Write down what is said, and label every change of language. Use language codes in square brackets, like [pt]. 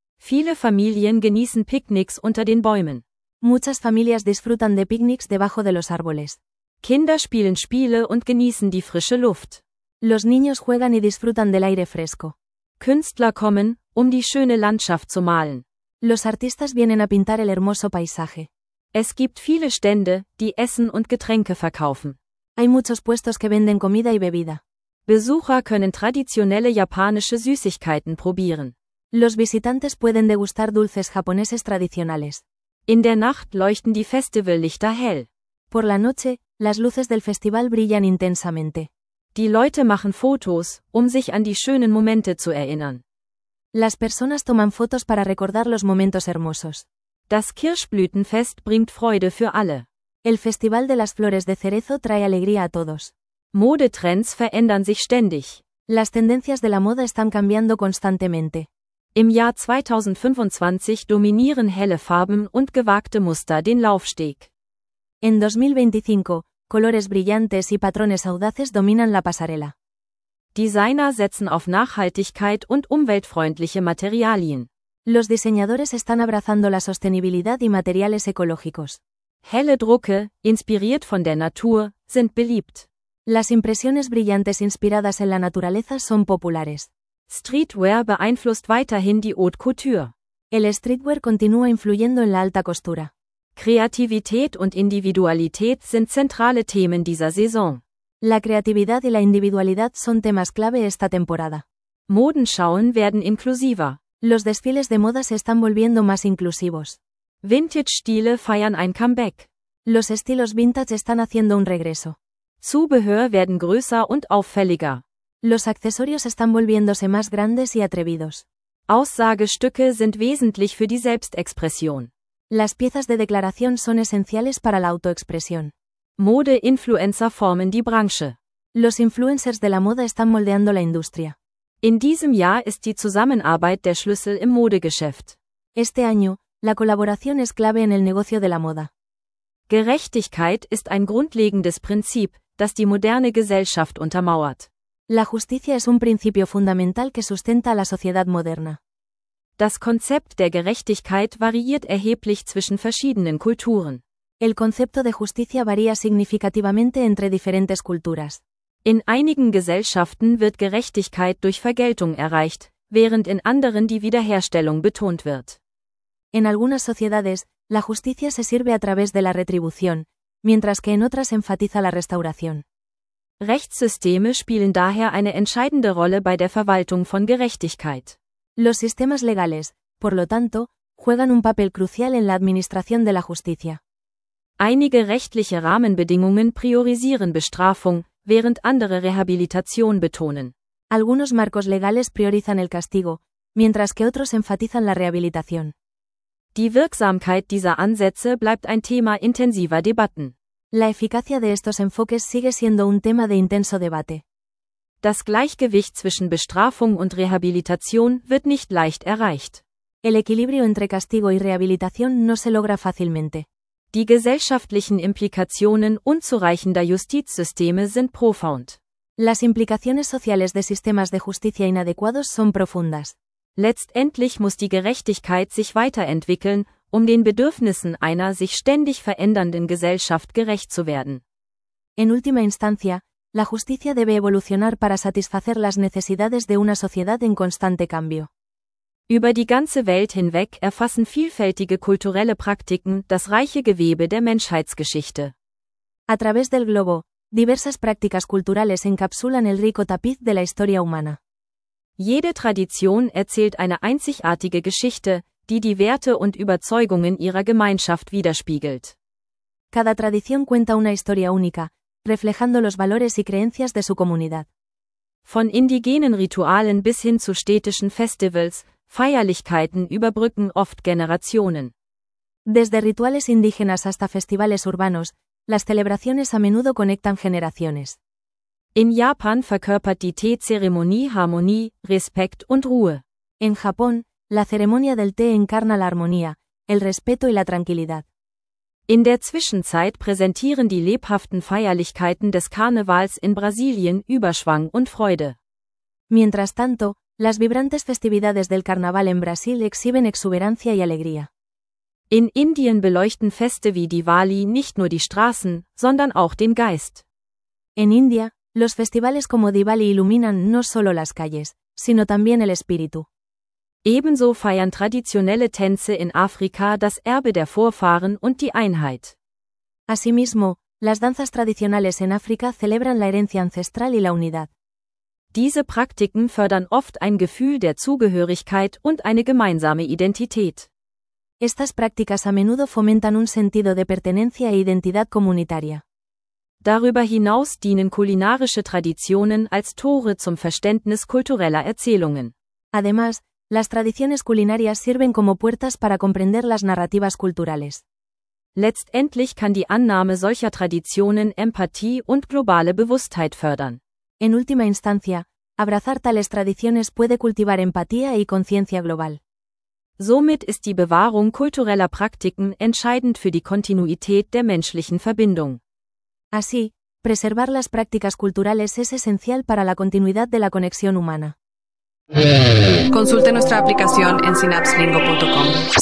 [de] Viele Familien genießen Picknicks unter den Bäumen. [es] Muchas familias disfrutan de picnics debajo de los árboles. [de] Kinder spielen Spiele und genießen die frische Luft. [es] Los niños juegan y disfrutan del aire fresco. [de] Künstler kommen, um die schöne Landschaft zu malen. [es] Los artistas vienen a pintar el hermoso paisaje. [de] Es gibt viele Stände, die Essen und Getränke verkaufen. [es] Hay muchos puestos que venden comida y bebida. [de] Besucher können traditionelle japanische Süßigkeiten probieren. [es] Los visitantes pueden degustar dulces japoneses tradicionales. [de] In der Nacht leuchten die Festivallichter hell. [es] Por la noche, las luces del festival brillan intensamente. [de] Die Leute machen Fotos, um sich an die schönen Momente zu erinnern. [es] Las personas toman fotos para recordar los momentos hermosos. [de] Das Kirschblütenfest bringt Freude für alle. [es] El Festival de las Flores de Cerezo trae alegría a todos. [de] Modetrends verändern sich ständig. [es] Las tendencias de la moda están cambiando constantemente. [de] Im Jahr 2025 dominieren helle Farben und gewagte Muster den Laufsteg. [es] En 2025, colores brillantes y patrones audaces dominan la pasarela. [de] Designer setzen auf Nachhaltigkeit und umweltfreundliche Materialien. [es] Los diseñadores están abrazando la sostenibilidad y materiales ecológicos. [de] Helle Drucke, inspiriert von der Natur, sind beliebt. [es] Las impresiones brillantes inspiradas en la naturaleza son populares. [de] Streetwear beeinflusst weiterhin die Haute Couture. [es] El streetwear continúa influyendo en la alta costura. [de] Kreativität und Individualität sind zentrale Themen dieser Saison. [es] La creatividad y la individualidad son temas clave esta temporada. [de] Modenschauen werden inklusiver. [es] Los desfiles de moda se están volviendo más inclusivos. [de] Vintage-Stile feiern ein Comeback. [es] Los estilos vintage están haciendo un regreso. [de] Zubehör werden größer und auffälliger. [es] Los accesorios están volviéndose más grandes y atrevidos. [de] Aussagestücke sind wesentlich für die Selbstexpression. [es] Las piezas de declaración son esenciales para la autoexpresión. [de] Mode-Influencer formen die Branche. [es] Los influencers de la moda están moldeando la industria. [de] In diesem Jahr ist die Zusammenarbeit der Schlüssel im Modegeschäft. [es] Este año, la colaboración es clave en el negocio de la moda. [de] Gerechtigkeit ist ein grundlegendes Prinzip, das die moderne Gesellschaft untermauert. [es] La justicia es un principio fundamental que sustenta a la sociedad moderna. [de] Das Konzept der Gerechtigkeit variiert erheblich zwischen verschiedenen Kulturen. [es] El concepto de justicia varía significativamente entre diferentes culturas. [de] In einigen Gesellschaften wird Gerechtigkeit durch Vergeltung erreicht, während in anderen die Wiederherstellung betont wird. [es] En algunas sociedades, la justicia se sirve a través de la retribución, mientras que en otras enfatiza la restauración. [de] Rechtssysteme spielen daher eine entscheidende Rolle bei der Verwaltung von Gerechtigkeit. [es] Los sistemas legales, por lo tanto, juegan un papel crucial en la administración de la justicia. [de] Einige rechtliche Rahmenbedingungen priorisieren Bestrafung, während andere Rehabilitation betonen. [es] Algunos marcos legales priorizan el castigo, mientras que otros enfatizan la rehabilitación. [de] Die Wirksamkeit dieser Ansätze bleibt ein Thema intensiver Debatten. [es] La eficacia de estos enfoques sigue siendo un tema de intenso debate. [de] Das Gleichgewicht zwischen Bestrafung und Rehabilitation wird nicht leicht erreicht. [es] El equilibrio entre castigo y rehabilitación no se logra fácilmente. [de] Die gesellschaftlichen Implikationen unzureichender Justizsysteme sind profound. [es] Las implicaciones sociales de sistemas de justicia inadecuados son profundas. [de] Letztendlich muss die Gerechtigkeit sich weiterentwickeln, um den Bedürfnissen einer sich ständig verändernden Gesellschaft gerecht zu werden. [es] En última instancia, la justicia debe evolucionar para satisfacer las necesidades de una sociedad en constante cambio. [de] Über die ganze Welt hinweg erfassen vielfältige kulturelle Praktiken das reiche Gewebe der Menschheitsgeschichte. [es] A través del globo, diversas prácticas culturales encapsulan el rico tapiz de la historia humana. [de] Jede Tradition erzählt eine einzigartige Geschichte, die die Werte und Überzeugungen ihrer Gemeinschaft widerspiegelt. [es] Cada tradición cuenta una historia única, reflejando los valores y creencias de su comunidad. [de] Von indigenen Ritualen bis hin zu städtischen Festivals, Feierlichkeiten überbrücken oft Generationen. [es] Desde rituales indígenas hasta festivales urbanos, las celebraciones a menudo conectan generaciones. [de] In Japan verkörpert die Tee-Zeremonie Harmonie, Respekt und Ruhe. [es] En Japón, la ceremonia del té encarna la armonía, el respeto y la tranquilidad. [de] In der Zwischenzeit präsentieren die lebhaften Feierlichkeiten des Karnevals in Brasilien Überschwang und Freude. [es] Mientras tanto, las vibrantes festividades del carnaval en Brasil exhiben exuberancia y alegría. [de] In Indien beleuchten Feste wie Diwali nicht nur die Straßen, sondern auch den Geist. [es] En India, los festivales como Diwali iluminan no solo las calles, sino también el espíritu. [de] Ebenso feiern traditionelle Tänze in Afrika das Erbe der Vorfahren und die Einheit. [es] Asimismo, las danzas tradicionales en África celebran la herencia ancestral y la unidad. [de] Diese Praktiken fördern oft ein Gefühl der Zugehörigkeit und eine gemeinsame Identität. [es] Estas prácticas a menudo fomentan un sentido de pertenencia e identidad comunitaria. [de] Darüber hinaus dienen kulinarische Traditionen als Tore zum Verständnis kultureller Erzählungen. [es] Además, las tradiciones culinarias sirven como puertas para comprender las narrativas culturales. [de] Letztendlich kann die Annahme solcher Traditionen Empathie und globale Bewusstheit fördern. [es] En última instancia, abrazar tales tradiciones puede cultivar empatía y conciencia global. [de] Somit ist die Bewahrung kultureller Praktiken entscheidend für die Kontinuität der menschlichen Verbindung. [es] Así, preservar las prácticas culturales es esencial para la continuidad de la conexión humana. Consulte nuestra aplicación en synapslingo.com.